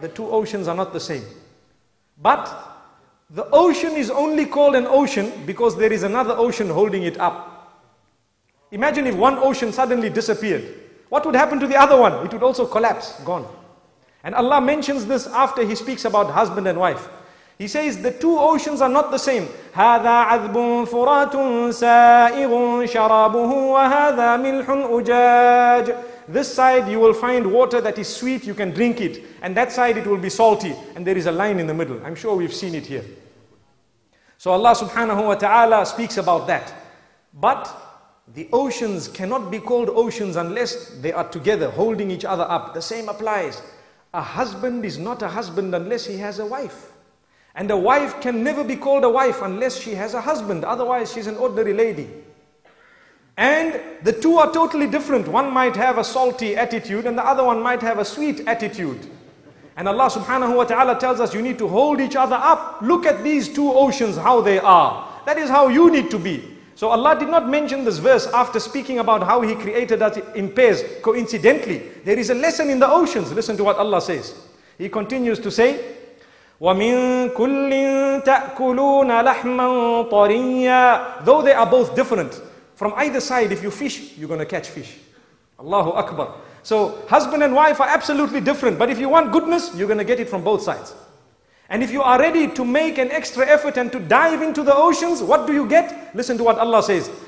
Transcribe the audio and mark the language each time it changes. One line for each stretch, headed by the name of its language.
English: The two oceans are not the same. But the ocean is only called an ocean because there is another ocean holding it up. Imagine if one ocean suddenly disappeared. What would happen to the other one? It would also collapse, gone. And Allah mentions this after He speaks about husband and wife. He says the two oceans are not the same.
Arabic: هذا عذب فرات سائغ شرابه وهذا ملح أجاج.
English: This side you will find water that is sweet, you can drink it. And that side it will be salty. And there is a line in the middle. I'm sure we've seen it here. So Allah subhanahu wa ta'ala speaks about that. But the oceans cannot be called oceans unless they are together, holding each other up. The same applies. A husband is not a husband unless he has a wife. And a wife can never be called a wife unless she has a husband. Otherwise, she's an ordinary lady. And the two are totally different. One might have a salty attitude and the other one might have a sweet attitude. And Allah subhanahu wa ta'ala tells us you need to hold each other up. Look at these two oceans, how they are. That is how you need to be. So Allah did not mention this verse after speaking about how He created us in pairs. Coincidentally, there is a lesson in the oceans. Listen to what Allah says. He continues to say,
Arabic: وَمِن كُلِّن تَأْكُلُونَ لَحْمًا طَرِيًّا.
English: Though they are both different, from either side, if you fish, you're going to catch fish. Allahu Akbar. So husband and wife are absolutely different. But if you want goodness, you're going to get it from both sides. And if you are ready to make an extra effort and to dive into the oceans, what do you get? Listen to what Allah says.